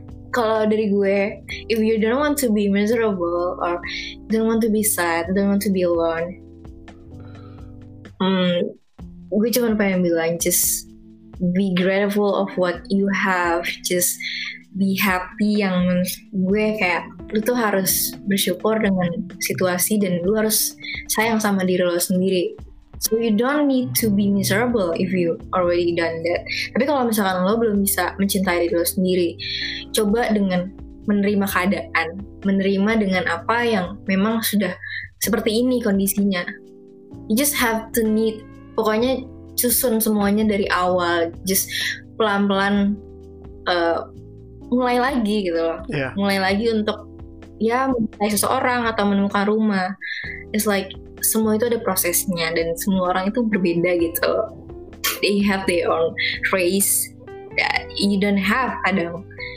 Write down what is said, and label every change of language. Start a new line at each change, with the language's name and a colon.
Indonesian: Kalau dari gue,
English: if you don't want to be miserable or don't want to be sad, don't want to be alone,
Indonesian: gue cuma pengen bilang
English: just be grateful of what you have. Just be happy.
Indonesian: Yang gue kayak, lu tuh harus bersyukur dengan situasi, dan lu harus sayang sama diri lo sendiri.
English: So you don't need to be miserable if you already done that.
Indonesian: Tapi kalau misalkan lo belum bisa mencintai diri lo sendiri, coba dengan menerima keadaan, menerima dengan apa yang memang sudah seperti ini kondisinya.
English: You just have to need,
Indonesian: pokoknya susun semuanya dari awal, just pelan-pelan mulai lagi gitu loh.
English: Yeah.
Indonesian: Mulai lagi untuk ya mencari seseorang atau menemukan rumah.
English: It's like
Indonesian: semua itu ada prosesnya, dan semua orang itu berbeda gitu.
English: They have their own race that you don't have, Adam.